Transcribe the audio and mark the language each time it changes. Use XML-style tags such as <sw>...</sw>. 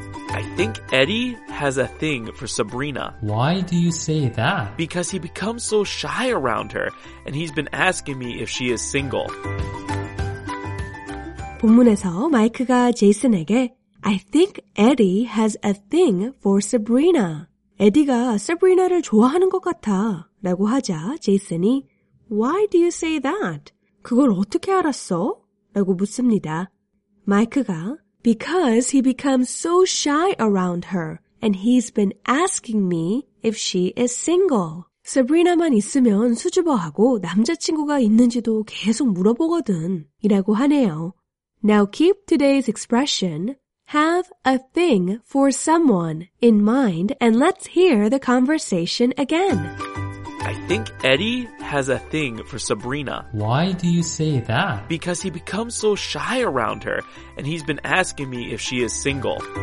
<en>I think Eddie has a thing for Sabrina. Why do you say that? Because he becomes so shy around her, and he's been asking me if she is single.</en> <ko>본문에서 마이크가 제이슨에게</ko> <en>I think Eddie has a thing for Sabrina.</en> <ko>에디가 Sabrina를 좋아하는 것 같아 라고 하자 제이슨이</ko> <en>Why do you say that?</en> <ko>그걸 어떻게 알았어? 라고 묻습니다. 마이크가</ko> <en>Because he becomes so shy around her and he's been asking me if she is single.</en> <ko>Sabrina만 있으면 수줍어하고 남자친구가 있는지도 계속 물어보거든 이라고 하네요.</ko> <en>Now keep today's expression, have a thing for someone, in mind and let's hear the conversation again. I think Eddie has a thing for Sabrina. Why do you say that? Because he becomes so shy around her, and he's been asking me if she is single.</en>